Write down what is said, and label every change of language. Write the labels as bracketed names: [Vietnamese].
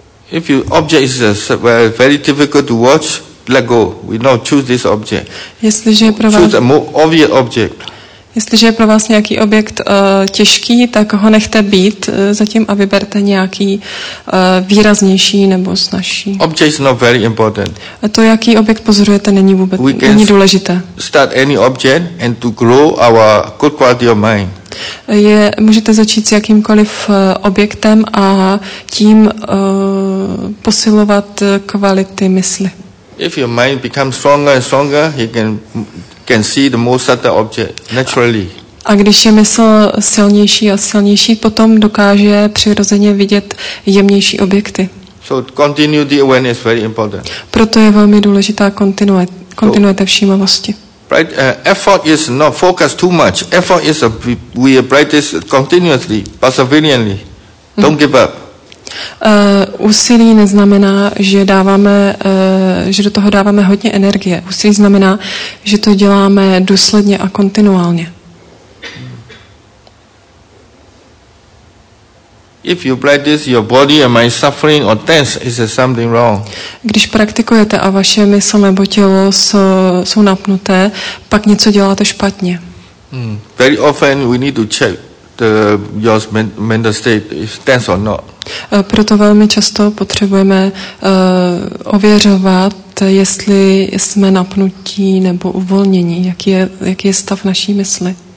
[English] If your object is very difficult to watch, let go. We now choose this object. [Czech] Jestliže je pro vás, [English] choose a more obvious object. [Czech] Jestliže je pro vás nějaký objekt těžký, tak ho nechte být zatím a vyberte nějaký výraznější nebo snažší. [English] Object is not very important. [Czech] A to, jaký objekt pozorujete, není vůbec, není důležité. [English] Start any object and to grow our good quality of mind. [Czech] Můžete začít s jakýmkoliv objektem a tím posilovat kvality mysli. [English] If your mind becomes stronger and stronger, you can see the most subtle object naturally. [Czech] A když je mysl silnější a silnější, potom dokáže přirozeně vidět jemnější objekty. [English] So continuity awareness is very important. [Czech] Proto je velmi důležitá kontinuita všímavosti. [English] Right, effort is not focus too much. Effort is we practice continuously, perseveringly. Don't give up. [Czech] Úsilí neznamená, že dáváme, že do toho dáváme hodně energie. Úsilí znamená, že to děláme důsledně a kontinuálně. [English] If you practice your body and mind suffering or tense, is there something wrong? [Czech] Když praktikujete a vaše mysl nebo tělo jsou napnuté, pak něco děláte špatně. [English] Very often we need to check the your mental state is tense or not. [Czech] Proto velmi často potřebujeme ověřovat, jestli jsme napnutí nebo uvolnění, jaký je stav naší mysli.